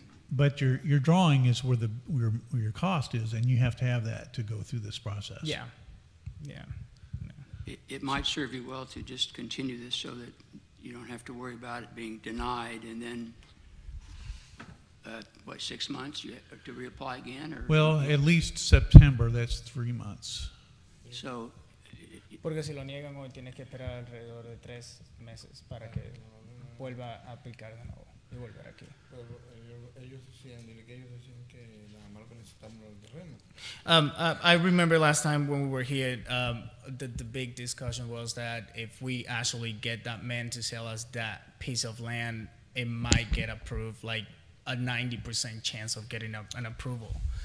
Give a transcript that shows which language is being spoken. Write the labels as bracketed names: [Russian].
[English] But your drawing is where your cost is, and you have to have that to go through this process. Yeah. It might serve you well to just continue this so that you don't have to worry about it being denied, and then 6 months you have to reapply again? Or? Well, at least September, that's 3 months. So. [Spanish] Porque si lo niegan hoy, tienes que esperar alrededor de 3 meses para que vuelva a aplicar de nuevo y volver aquí. [English] I remember last time when we were here, the big discussion was that if we actually get that man to sell us that piece of land, it might get approved, like a 90% chance of getting an approval.